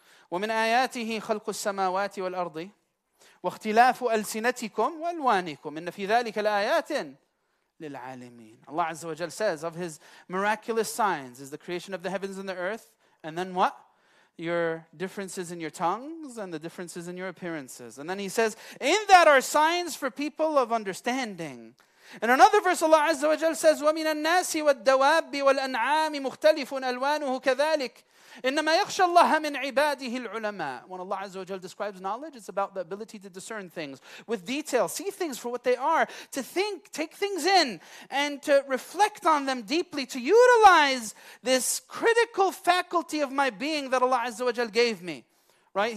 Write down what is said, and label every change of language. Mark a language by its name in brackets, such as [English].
[Arabic] وَمِنْ آيَاتِهِ خَلْقُ السَّمَاوَاتِ وَالْأَرْضِ وَاخْتِلَافُ أَلْسِنَتِكُمْ وَأَلْوَانِكُمْ إِنَّ فِي ذَلِكَ لَآيَاتٍ لِلْعَالِمِينَ. [English] Allah Azza wa Jal says of His miraculous signs is the creation of the heavens and the earth, and then what? Your differences in your tongues and the differences in your appearances. And then He says, in that are signs for people of understanding. In another verse, Allah Azza wa Jal says, [Arabic] وَمِنَ النَّاسِ وَالدَّوَابِّ وَالْأَنْعَامِ مُخْتَلِفٌ أَلْوَانُهُ كَذَلِكَ إِنَّمَا يَخْشَ اللَّهَ مِنْ عِبَادِهِ الْعُلَمَاءِ. [English] When Allah Azza wa Jal describes knowledge, it's about the ability to discern things with detail, see things for what they are, to think, take things in, and to reflect on them deeply, to utilize this critical faculty of my being that Allah Azza wa Jal gave me. Right?